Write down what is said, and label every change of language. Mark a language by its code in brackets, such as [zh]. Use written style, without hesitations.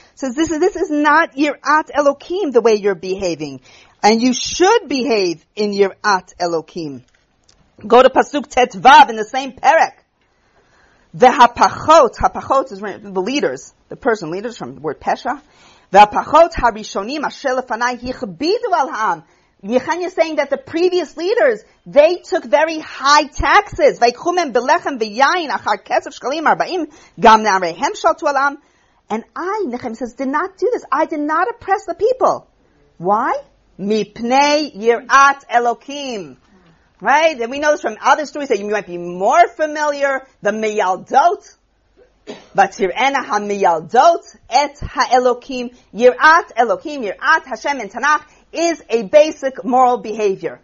[en] Says, this is not yirat elokim, the way you're behaving. And you should behave in yirat elokim. Go to Pasuk Tet Vav in the same Perek. Vehapachot, hapachot is the leaders, the Persian leaders from the word pesha. [he] והפחות הראשונים אשר לפני הכבידו על העם. [en] Nehemiah is saying that the previous leaders, they took very high taxes. [he] ויקחו מהם בלחם ויין אחר כסף שקלים 40, גם נעריהם שלטו על העם. [en] And I, Nehemiah says, did not do this. I did not oppress the people. Why? [he] מפני יראת אלוקים. [en] Right? And we know this from other stories that you might be more familiar. The מיילדות. But [he] Tirena Hamiyaldot et Ha'elokim, [en] Yirat Elohim, Yirat Hashem in Tanakh is a basic moral behavior.